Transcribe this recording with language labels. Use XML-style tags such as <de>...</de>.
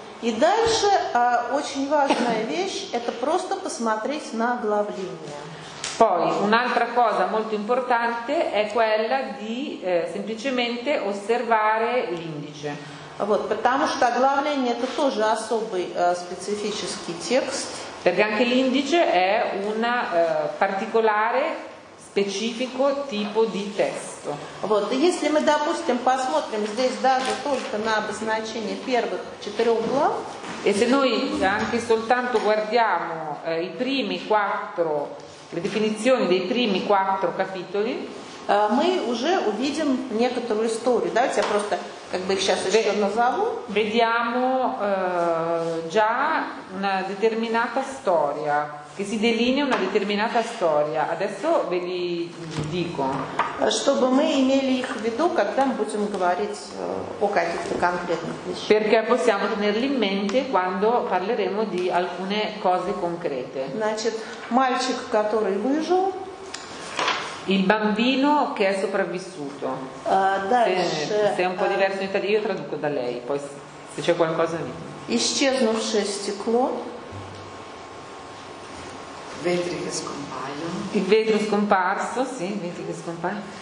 <ru>И дальше очень важная вещь – это просто посмотреть на оглавление.</ru> <it>Poi un'altra cosa molto importante è quella di semplicemente osservare l'indice.</it> <ru>Вот, потому что оглавление – это тоже особый специфический текст.</ru> <it>Perché anche l'indice è un particolare, specifico tipo di testo.</it> <ru>Вот, если мы, допустим, посмотрим здесь даже только на обозначение первых четырех глав.</ru> <it>E se noi anche soltanto guardiamo i primi quattro, le definizioni dei primi quattro capitoli.</it> <ru>Мы уже увидим некоторую историю. Давайте я просто как бы их сейчас еще назову.</ru> <it>Vediamo già una determinata storia, che si delinea una determinata storia. Adesso ve li dico.</it> <ru>Чтобы мы имели их в виду, когда мы будем говорить о каких-то конкретных вещах.</ru> <it>Perché possiamo tenerli in mente quando parleremo di alcune cose concrete.</it> <ru>Значит, мальчик, который выжил.</ru> <it>Il bambino che è sopravvissuto. Se è un po' diverso in italiano, io traduco da lei, poi se c'è qualcosa di.</it> <ru>Исчезнувшее стекло.</ru> <it>Vetri che scompaiono. Il vetro scomparso, sì, vetri che scompaiono.</it>